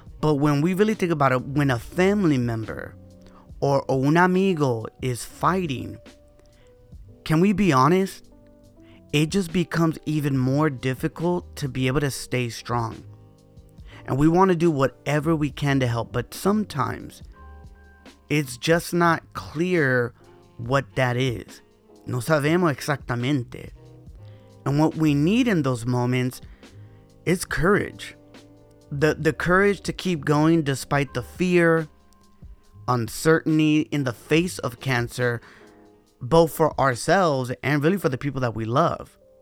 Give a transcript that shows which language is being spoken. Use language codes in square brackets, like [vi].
[en] But when we really think about it, when a family member or [es] un amigo [en] is fighting, can we be honest? It just becomes even more difficult to be able to stay strong. And we want to do whatever we can to help, but sometimes it's just not clear what that is. [es] No sabemos exactamente. [en] And what we need in those moments is courage. The courage to keep going despite the fear, uncertainty in the face of cancer, both for ourselves and really for the people that we love.